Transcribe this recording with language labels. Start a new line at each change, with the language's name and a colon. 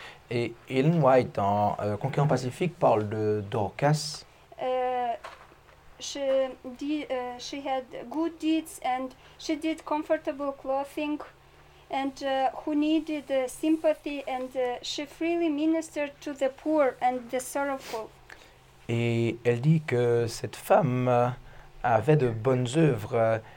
French: Et Ellen White, dans Conquérant Pacifique, parle de Dorcas.
English: She had good deeds and she did comfortable clothing and who needed sympathy and she freely ministered to the poor and the sorrowful.
French: Et elle dit que cette femme avait de bonnes œuvres.